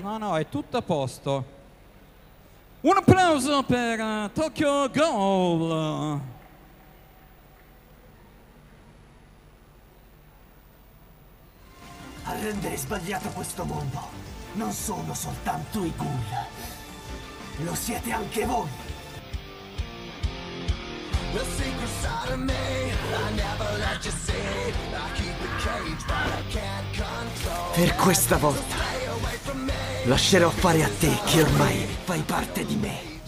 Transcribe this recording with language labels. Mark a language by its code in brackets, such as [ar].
[it] No, no, è tutto a posto. Un applauso per Tokyo Ghoul. A rendere sbagliato questo mondo non sono soltanto i ghoul, lo siete anche voi. [en] The secret's out of me, I never let you see. I keep the cage but I can't control. [it] Per questa volta lascerò fare a te che ormai fai parte di me.